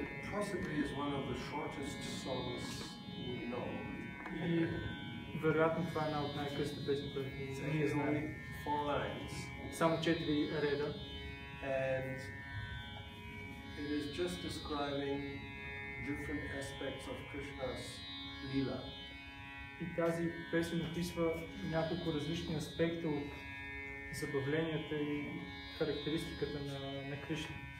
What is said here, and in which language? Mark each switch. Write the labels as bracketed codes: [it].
[en] Possibly is one of the shortest songs we know. [bg] И вероятно това е една от най-късните песни, които ние знаем. [en] Four lines. [bg] Само четири реда. [en] And it is just describing different aspects of Krishna's lila. [bg] И тази песен описва няколко различни аспекта от забавленията и характеристиката на Кришна.